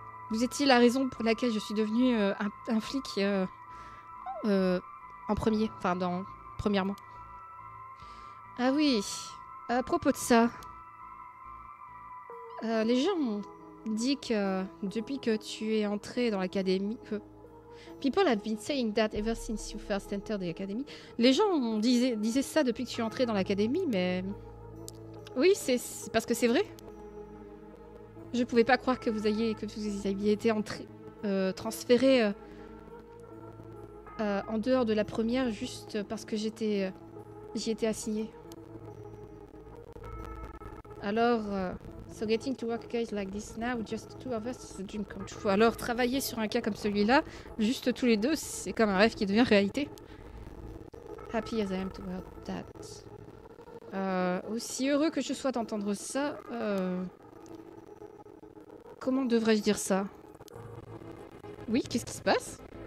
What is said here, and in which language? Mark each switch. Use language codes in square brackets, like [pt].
[fr] Vous étiez la raison pour laquelle je suis devenue un flic en premier, enfin dans premièrement. Ah oui, à propos de ça, les gens ont dit que depuis que tu es entré dans l'académie... [en] People have been saying that ever since you first entered the academy. [fr] Les gens disaient ça depuis que tu es entré dans l'académie, mais... oui, c'est parce que c'est vrai. Je pouvais pas croire que vous aviez été transféré en dehors de la première juste parce que j'y étais assignée. Alors... [en] so getting to work a case like this now, just the two of us, is a dream come true. [fr] Alors, travailler sur un cas comme celui-là, juste tous les deux, c'est comme un rêve qui devient réalité. [en] Happy as I am to hear that. [fr] Aussi heureux que je sois d'entendre ça, comment devrais-je dire ça? Oui, qu'est-ce qui se passe?